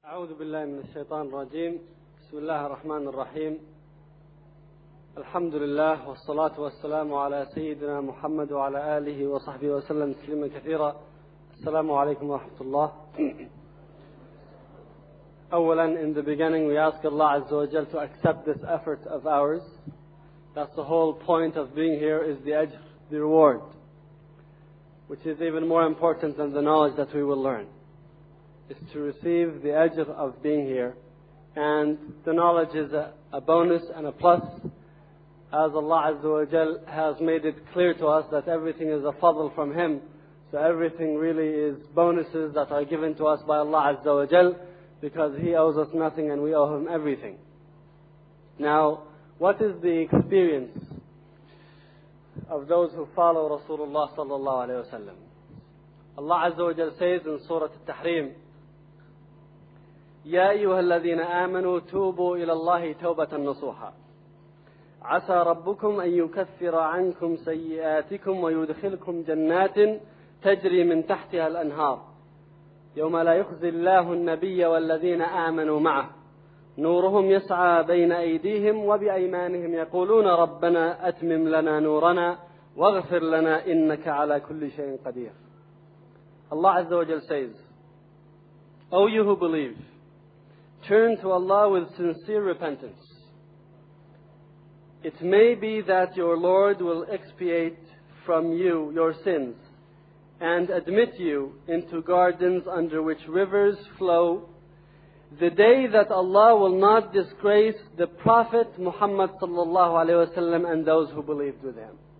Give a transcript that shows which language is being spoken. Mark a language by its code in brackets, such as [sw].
[ar] أعوذ بالله من الشيطان الرجيم. بسم الله الرحمن الرحيم. الحمد لله والصلاة والسلام على سيدنا محمد وعلى آله وصحبه وسلم تسليما كثيرا. السلام عليكم ورحمة الله. أولا, [en] in the beginning we ask Allah عز وجل to accept this effort of ours. That's the whole point of being here, is the ajr, the reward, which is even more important than the knowledge that we will learn. Is to receive the ajr of being here. And the knowledge is a bonus and a plus, as Allah Azza wa Jal has made it clear to us that everything is a fadl from Him. So everything really is bonuses that are given to us by Allah Azza wa Jal, because He owes us nothing and we owe Him everything. Now, what is the experience of those who follow Rasulullah sallallahu alayhi wa sallam? Allah Azza wa Jal says in Surah Al-Tahrim, [ar] يَا أَيُّهَا الَّذِينَ آمَنُوا تُوبُوا إِلَى اللَّهِ تَوْبَةً نَصُوحًا عَسَى رَبُّكُمْ أَن يُكَفِّرَ عَنْكُمْ سَيِّئَاتِكُمْ وَيُدْخِلْكُمْ جَنَّاتٍ تَجْرِي مِنْ تَحْتِهَا الْأَنْهَارِ يَوْمَ لَا يُخْزِي اللَّهُ النَّبِيَّ وَالَّذِينَ آمَنُوا مَعَهُ نُورُهُمْ يَسْعَى بَيْنَ أَيْدِيهِمْ وَبِأَيْمَانِهِمْ يَقُولُونَ رَبَّنَا أَتْمِمْ لَنَا نُورَنَا وَاغْفِرْ لَنَا إِنَّكَ عَلَى كُلِّ شَيْءٍ قَدِيرٌ. [en] الله عز وجل says, O you who believe, turn to Allah with sincere repentance. It may be that your Lord will expiate from you your sins and admit you into gardens under which rivers flow, the day that Allah will not disgrace the Prophet Muhammad sallallahu alaihi wasallam and those who believed with him.